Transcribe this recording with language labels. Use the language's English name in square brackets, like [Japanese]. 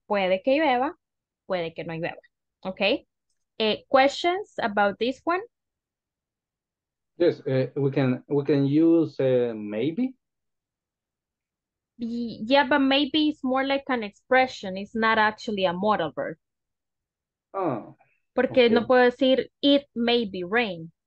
[Spanish] Puede que llueva, puede que no llueva, okay? [English] Questions about this one? Yes, we can use maybe. Yeah, but maybe it's more like an expression. It's not actually a modal verb. Oh. [Spanish] Porque okay. No puedo decir [English] it may be rain.